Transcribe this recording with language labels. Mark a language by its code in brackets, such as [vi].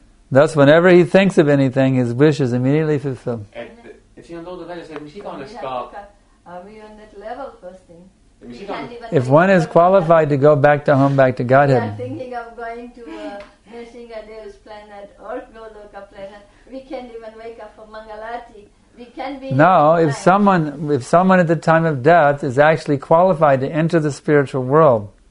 [en] Thus, whenever he thinks of anything, his wish is immediately fulfilled. [et] Et siin on toodud välja see, mis iganes ka... [en] Are we on that level first thing? If one is qualified to go back to home, back to Godhead. We are thinking of going to Nrisimhadev's planet or Goloka planet. We can't even wake up for Mangalati. We can be. No, if someone at the time of death is actually qualified to enter the spiritual world,